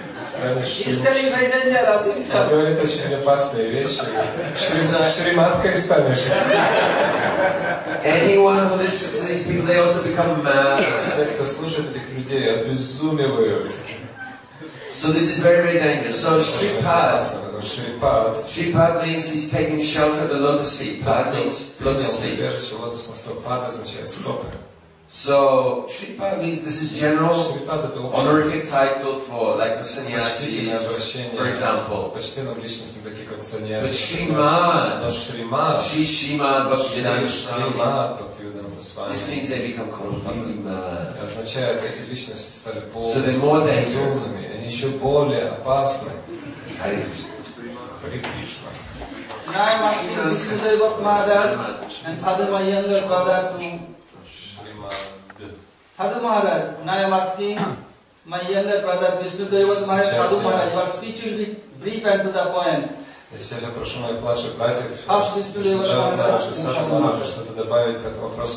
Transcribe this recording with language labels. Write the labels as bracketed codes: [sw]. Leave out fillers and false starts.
[ru] Он говорит очень опасные вещи. Шриматкой станешь. [en] Anyone who listens to these people, they also become mad. [ru] Все, кто слушает этих людей, обезумевают. [en] So this is very, very dangerous. So Shripad. Shripad. Shripad means he's taking shelter of the lotus feet. Pad means lotus feet. [ru] Убежище лотосных стоп. Pad означает стопы. [en] So Shripad means this is general honorific title for like for sannyasis, for example. [ru] Почтенным личностям такие как саньяси. [en] But Shrimad, Shrimad, Shrimad, Bhaktivedanta Swami. Shrimad, Bhaktivedanta Swami. This means they become completely mad. [ru] Означает, эти личности стали полубезумными. Они еще более опасны. Hare Krishna. Namaste. Shrimad. [en] Sadhu Maharaj, now I am asking my younger brother Vishnu Devas Maharaj, Sadhu Maharaj, your speech will be brief and to the point. [ru] Сейчас я прошу моих младших братьев, Сашу Махараджа, что-то добавить к этому вопросу.